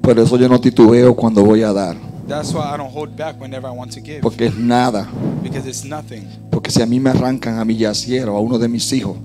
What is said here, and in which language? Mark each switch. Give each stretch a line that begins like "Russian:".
Spanish: Por eso yo no titubeo cuando voy a dar.
English: That's why I don't hold back whenever I want to give.
Spanish: Porque es nada.
English: Because it's nothing.
Spanish: Porque si a mí me arrancan a mi yaciero, a uno de mis hijos.